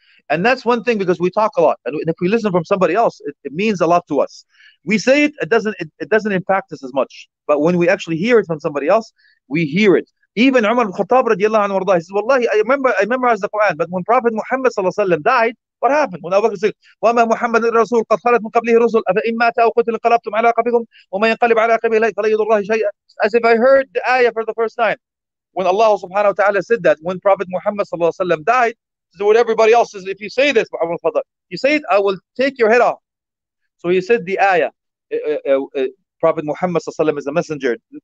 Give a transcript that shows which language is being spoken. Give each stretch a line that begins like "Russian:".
English: And that's one thing, because we talk a lot, and if we listen from somebody else, it means a lot to us. We say it, it doesn't impact us as much. But when we actually hear it from somebody else, we hear it. Even Umar al-Khattab radiallahu anhu, he says, wallahi, I memorized the Quran, but when Prophet Muhammad sallallahu alayhi wa sallam died, what happened? When Abu Bakr said,
Arabic: وَمَا مُحَمَّدٌ رَسُولٌ قَدْ خَلَتْ مِنْ قَبْلِهِ رُسُلٌ أَفَإِنْ مَاتَ أَوْ قُتِلَ انْقَلَبْتُمْ عَلَى عَقِبِكُمْ وَمَنْ يَنْقَلِبْ عَلَى عَقِبِهِ لَيْسَ لَهُ مِنَ اللَّهِ شَيْءٌ.
English: As if I heard the ayah for the first time, when Allah subhanahu wa ta'ala said that, when Prophet Muhammad sallallahu alayhi wa sallam died, so what everybody else says, if you say this, Abu Bakr, you say it, I will take your head off. So he said the ayah, Prophet Muhammad sallallahu alayhi wa sallam is a messenger.